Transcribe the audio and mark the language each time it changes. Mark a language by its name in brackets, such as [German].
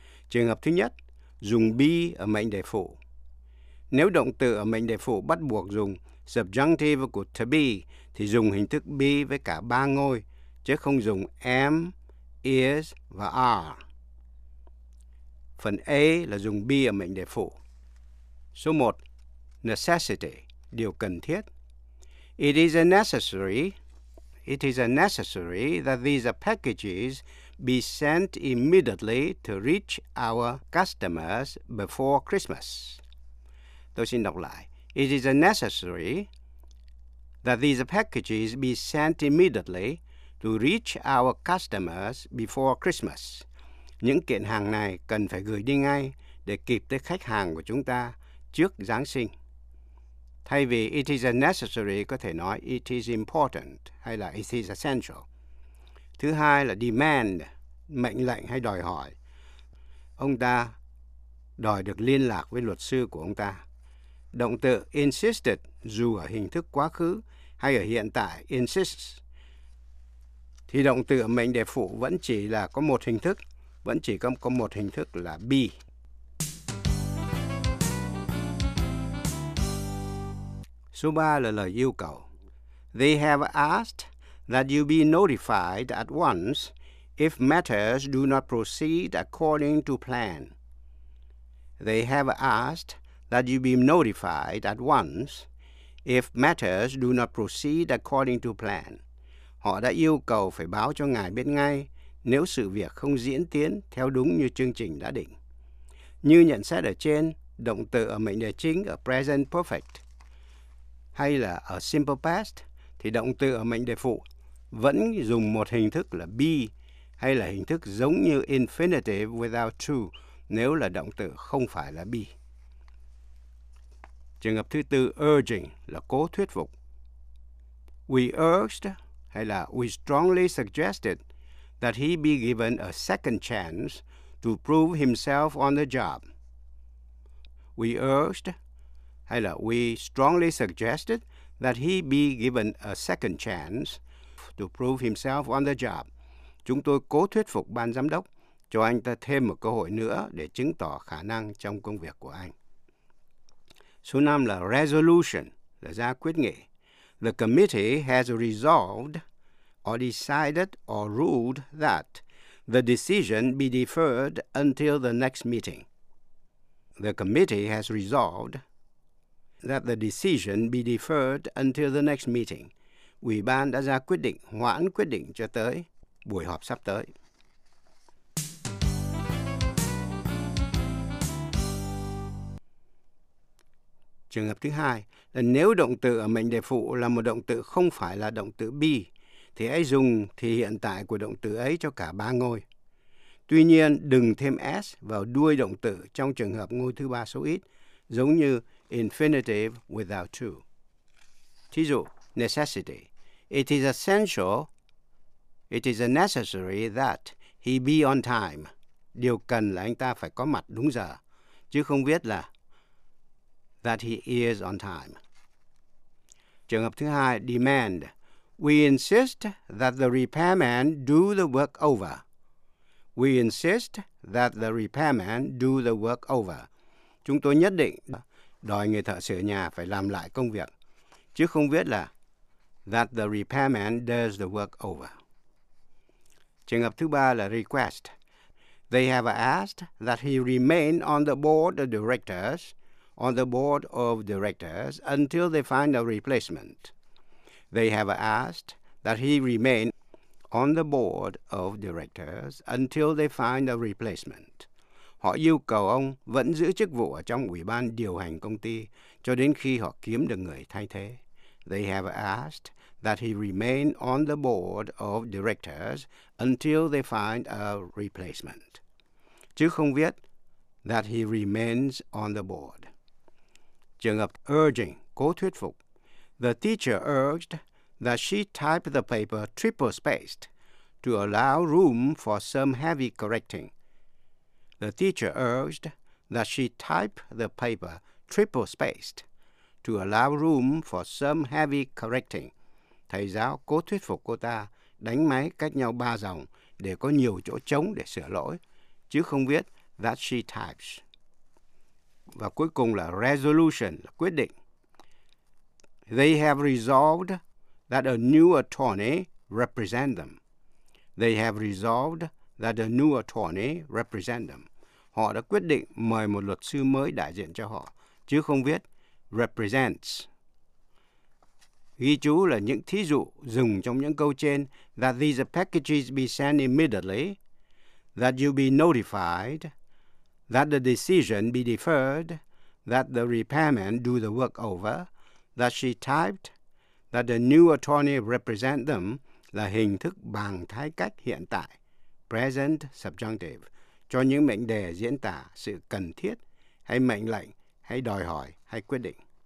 [Vietnamese] Trường hợp thứ nhất, dùng be ở mệnh đề phụ. Nếu động từ ở mệnh đề phụ bắt buộc dùng subjunctive của to be thì dùng hình thức be với cả ba ngôi chứ không dùng am, is và are. Phần A là dùng be ở mệnh đề phụ. Số 1, necessity, điều cần thiết. [English] It is necessary that these packages be sent immediately to reach our customers before Christmas. [Vietnamese] Tôi xin đọc lại. [English] It is necessary that these packages be sent immediately to reach our customers before Christmas. [Vietnamese] Những kiện hàng này cần phải gửi đi ngay để kịp tới khách hàng của chúng ta trước Giáng sinh. Thay vì [English] it is necessary, [Vietnamese] có thể nói [English] it is important [Vietnamese] hay là [English] it is essential. [Vietnamese] Thứ hai là demand, mệnh lệnh hay đòi hỏi. Ông ta đòi được liên lạc với luật sư của ông ta. Động từ insisted, dù ở hình thức quá khứ hay ở hiện tại, insists, thì động từ mệnh đề phụ vẫn chỉ là có một hình thức, vẫn chỉ có một hình thức là be. Số 3 là lời yêu cầu. [English] They have asked that you be notified at once if matters do not proceed according to plan. They have asked that you be notified at once if matters do not proceed according to plan. [Vietnamese] Họ đã yêu cầu phải báo cho ngài biết ngay nếu sự việc không diễn tiến theo đúng như chương trình đã định. Như nhận xét ở trên, động từ ở mệnh đề chính ở present perfect, hay là ở simple past thì động từ ở mệnh đề phụ vẫn dùng một hình thức là be, hay là hình thức giống như infinitive without to nếu là động từ không phải là be. Trường hợp thứ tư, urging, là cố thuyết phục. [English] We urged, [Vietnamese] hay là [English] we strongly suggested that he be given a second chance to prove himself on the job. We urged, hay là we strongly suggested that he be given a second chance to prove himself on the job. [Vietnamese] Chúng tôi cố thuyết phục ban giám đốc cho anh ta thêm một cơ hội nữa để chứng tỏ khả năng trong công việc của anh. Số 5 là resolution, là ra quyết nghị. [English] The committee has resolved or decided or ruled that the decision be deferred until the next meeting. The committee has resolved that the decision be deferred until the next meeting. [Vietnamese] Ủy ban đã ra quyết định hoãn quyết định cho tới buổi họp sắp tới. Trường hợp thứ hai là nếu động từ ở mệnh đề phụ là một động từ không phải là động từ be, thì hãy dùng thì hiện tại của động từ ấy cho cả ba ngôi. Tuy nhiên, đừng thêm s vào đuôi động từ trong trường hợp ngôi thứ ba số ít, giống như infinitive without to. Thí dụ, [English] necessity. It is essential, it is necessary that he be on time. [Vietnamese] Điều cần là anh ta phải có mặt đúng giờ, chứ không viết là [English] that he is on time. [Vietnamese] Trường hợp thứ hai, demand. [English] We insist that the repairman do the work over. We insist that the repairman do the work over. [Vietnamese] Chúng tôi nhất định đòi người thợ sửa nhà phải làm lại công việc, chứ không viết là [English] that the repairman does the work over. [Vietnamese] Trường hợp thứ ba là request. [English] They have asked that he remain on the board of directors, on the board of directors until they find a replacement. They have asked that he remain on the board of directors until they find a replacement. [Vietnamese] Họ yêu cầu ông vẫn giữ chức vụ ở trong ủy ban điều hành công ty cho đến khi họ kiếm được người thay thế. [English] They have asked that he remain on the board of directors until they find a replacement. [Vietnamese] Chứ không viết [English] that he remains on the board. [Vietnamese] Trường hợp urging, cố thuyết phục. [English] The teacher urged that she type the paper triple spaced to allow room for some heavy correcting. The teacher urged that she type the paper triple spaced to allow room for some heavy correcting. [Vietnamese] Thầy giáo cố thuyết phục cô ta đánh máy cách nhau ba dòng để có nhiều chỗ trống để sửa lỗi, chứ không viết [English] that she types. [Vietnamese] Và cuối cùng là resolution, là quyết định. [English] They have resolved that a new attorney represent them. They have resolved that a new attorney represent them. [Vietnamese] Họ đã quyết định mời một luật sư mới đại diện cho họ, chứ không viết represents. Ghi chú là những thí dụ dùng trong những câu trên, [English] that these packages be sent immediately, that you be notified, that the decision be deferred, that the repairman do the work over, that she typed, that the new attorney represent them, [Vietnamese] là hình thức bằng thái cách hiện tại, present subjunctive, cho những mệnh đề diễn tả sự cần thiết, hay mệnh lệnh, hay đòi hỏi, hay quyết định.